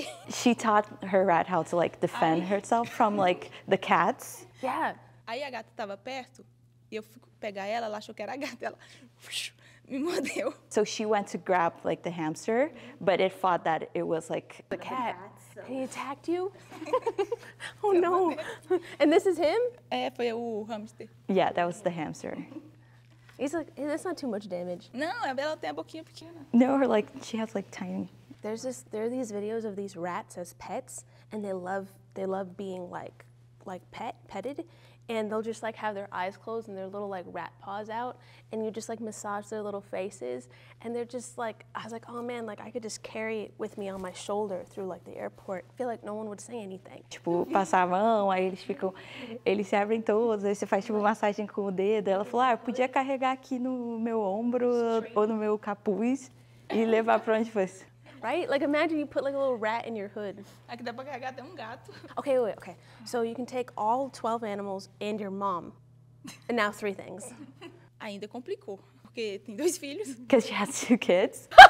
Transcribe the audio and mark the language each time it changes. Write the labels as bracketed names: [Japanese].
[English] She taught her rat how to like defend herself from like the cats. Yeah. [Portuguese] Aí a gata tava perto e eu fui pegar ela, ela achou que era a gata, ela me mordeu. [English] So she went to grab like the hamster, but it thought that it was like the cat. He attacked you? Oh no. And this is him? [Portuguese] Foi o hamster. [English] Yeah, that was the hamster. He's like, hey, that's not too much damage. [Portuguese] No, ela tem a boquinha pequena. [English] No, her like she has like tiny. There are these videos of these rats as pets and they love being like petted. And they'll just like have their eyes closed and their little like rat paws out and you just like massage their little faces and they're just like, I was like, oh man, like I could just carry it with me on my shoulder through like the airport. I feel like no one would say anything. [Portuguese] Tipo, passar a mão, aí eles ficam, eles se abrem todos, aí você faz tipo massagem com o dedo. Ela falou, ah, eu podia carregar aqui no meu ombro ou no meu capuz e levar pra onde fosse. [English] Right? Like imagine you put like a little rat in your hood. [Portuguese] Aqui dá pra carregar até gato. [English] Okay. So you can take all 12 animals and your mom. And now three things. [Portuguese] Ainda complicou, porque tem dois filhos. [English] Because she has two kids.